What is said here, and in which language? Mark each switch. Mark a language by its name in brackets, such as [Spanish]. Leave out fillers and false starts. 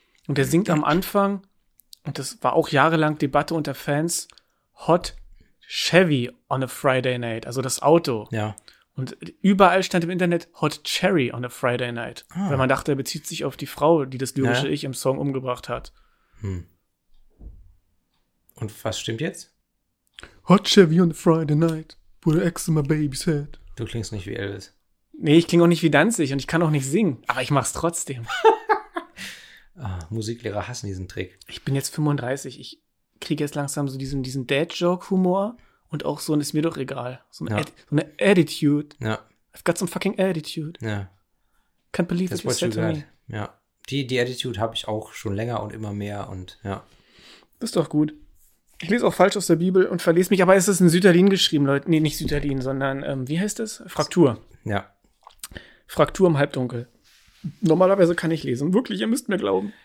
[German] Und der singt am Anfang, und das war auch jahrelang Debatte unter Fans, "Hot Chevy on a Friday Night", also das Auto. Ja. Und überall stand im Internet "Hot Cherry on a Friday Night". Ah. Weil man dachte, er bezieht sich auf die Frau, die das lyrische Ich im Song umgebracht hat. Hm. Und was stimmt jetzt? [English] "Hot Chevy on a Friday Night, put an X in my baby's head". [German] Du klingst nicht wie Elvis. Nee, ich klinge auch nicht wie Danzig und ich kann auch nicht singen. Aber ich mach's trotzdem. Musiklehrer hassen diesen Trick. Ich bin jetzt 35. Ich kriege jetzt langsam so diesen Dad-Joke-Humor. Und auch so ein "ist mir doch egal". So eine Attitude. Ja. [English] I've got some fucking attitude. [German] Ja. [English] Can't believe that's it, what you said to me. [German] Ja. Die Attitude habe ich auch schon länger und immer mehr. Und ja. Ist doch gut. Ich lese auch falsch aus der Bibel und verlese mich. Aber es ist in Süderlin geschrieben, Leute. Nee, nicht Süderlin, sondern wie heißt das? Fraktur. Ja. Fraktur im Halbdunkel. Normalerweise kann ich lesen. Wirklich, ihr müsst mir glauben.